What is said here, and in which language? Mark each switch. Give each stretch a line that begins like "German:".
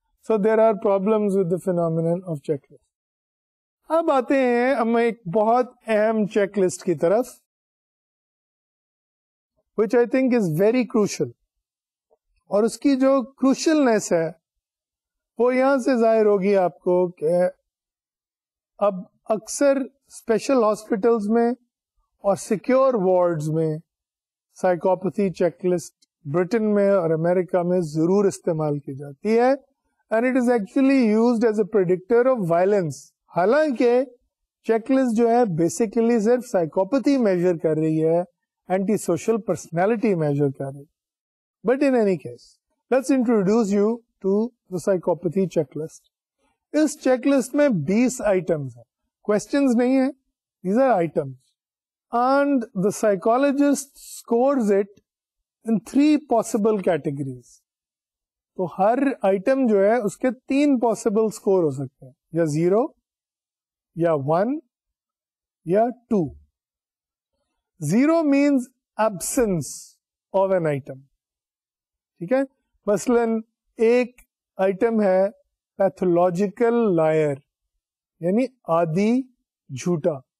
English: So there are problems with the phenomenon of checklist.
Urdu: Ab aate hain hum ek bahut aham checklist ki taraf,
English: which I think is very crucial.
Urdu: اور اس کی جو کروشلنیس ہے وہ یہاں سے ظاہر ہوگی آپ کو کہ اب اکثر اسپیشل ہاسپٹلز میں اور سیکیور وارڈز میں سائیکوپیتھی چیک لسٹ برٹن میں اور امریکہ میں ضرور استعمال کی جاتی ہے,
English: And it is actually used as a predictor of violence.
Urdu: حالانکہ چیک لسٹ جو ہے بیسیکلی صرف سائیکوپیتھی میجر کر رہی ہے, اینٹی سوشل پرسنالٹی میجر کر رہی ہے.
English: But in any case, let's introduce you to the psychopathy checklist.
Urdu: اس check list میں 20 آئٹمس ہیں, questions نہیں ہیں,
English: these are items. And the psychologist scores it in three possible categories.
Urdu: تو ہر item جو ہے اس کے تین possible score ہو سکتے ہیں, یا 0, یا 1, یا 2.
English: 0 means absence of an item.
Urdu: مثلاً ایک آئٹم ہے پیتھولوجیکل لائر, یعنی آدھی جھوٹا.